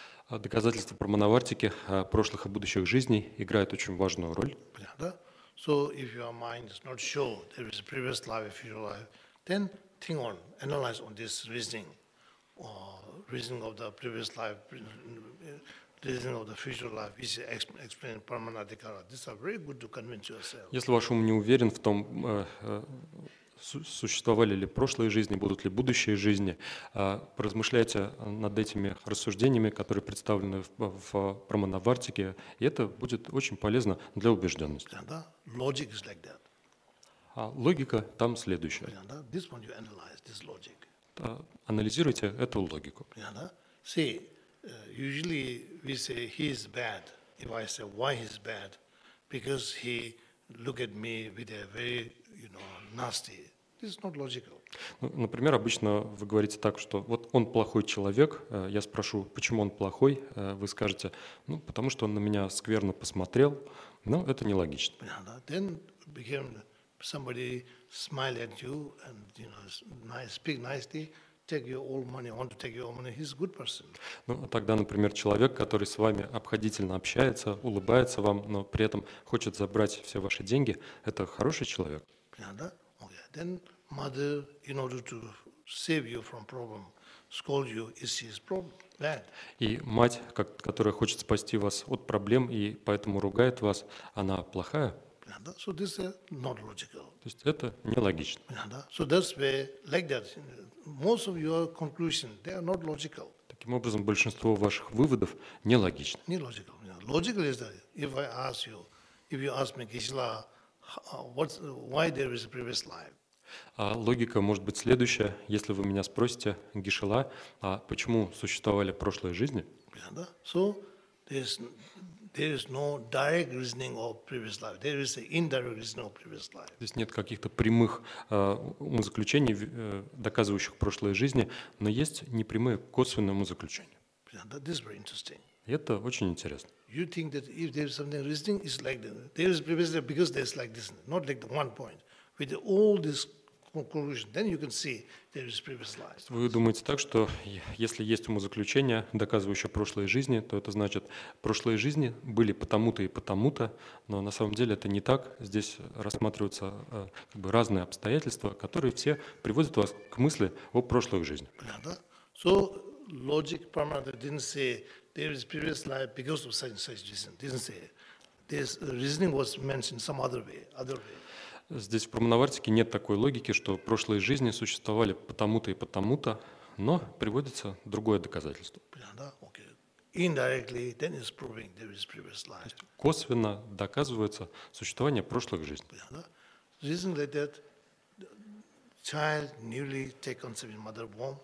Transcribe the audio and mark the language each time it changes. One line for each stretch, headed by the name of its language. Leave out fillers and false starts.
Russian: Доказательства праманавартики прошлых и будущих жизней играют очень важную роль. Понятно?
English: So if your mind is not sure there is a previous life, future life, then think on, analyze on this reasoning. Reasoning of the previous life, reasoning of the future life, which explains pramanatikara. These are very good to convince yourself.
Russian: Если ваш ум не уверен в том, существовали ли прошлые жизни, будут ли будущие жизни, поразмышляйте над этими рассуждениями, которые представлены в праманавартике, и это будет очень полезно для убежденности.
English: Да, logic is like that.
Russian: А логика там следующая.
English: Да, this one you analyze this logic.
Russian: Анализируйте эту логику.
English: See, usually we say he is bad. If I say why he is bad, because he look at me with a very, you know, nasty. This is not logical.
Russian: Например, обычно вы говорите так, что вот он плохой человек. Я спрошу, почему он плохой? Вы скажете, ну потому что он на меня скверно посмотрел. Но это нелогично.
English: Then became somebody. Smile at you and you know nice, speak nicely, take your old money, want to take your money. He's a good person.
Russian: Ну тогда, например, человек, который с вами обходительно общается, улыбается вам, но при этом хочет забрать все ваши деньги, это хороший человек. Понятно? Okay.
English: Then mother, in order to save you from problem, scold you is his problem. Bad.
Russian: И мать, которая хочет спасти вас от проблем и поэтому ругает вас, она плохая?
English: So this is not logical.
Russian: То есть это нелогично.
English: So that's where, like that, most of your conclusions they are not logical.
Russian: Таким образом, большинство ваших выводов нелогичны.
English: Не logical. Logical is that if I ask you, if you ask me, Кришна, why there is a previous life?
Russian: Логика может быть следующая: если вы меня спросите, Кришна, а почему существовали прошлые жизни?
English: So there is no direct reasoning of previous life. There is an indirect reasoning of previous life.
Russian: Здесь нет каких-то прямых умозаключений, доказывающих прошлые жизни, но есть непрямые косвенные умозаключения.
English: Yeah, this is very interesting.
Russian: Это очень интересно.
English: You think that if there is something reasoning, it's like that. There is previous life because there is like this, not like the one point. With all this conclusion, then you can see there is previous life.
Russian: Вы думаете так, что если есть умозаключение, доказывающее прошлые жизни, то это значит, прошлые жизни были потому-то и потому-то, но на самом деле это не так. Здесь рассматриваются как бы разные обстоятельства, которые все приводят вас к мысли о прошлых жизнях. Понятно?
English: So logic Paramahansa didn't say there is previous life because of such reason. Didn't say this reasoning was mentioned some other way.
Russian: Здесь в Прамановартике нет такой логики, что прошлые жизни существовали потому-то и потому-то, но приводится другое доказательство.
English: Indirectly, then it's proving there is previous life.
Russian: Косвенно доказывается существование прошлых жизней.
English: Recently, that child newly taken seven mother womb.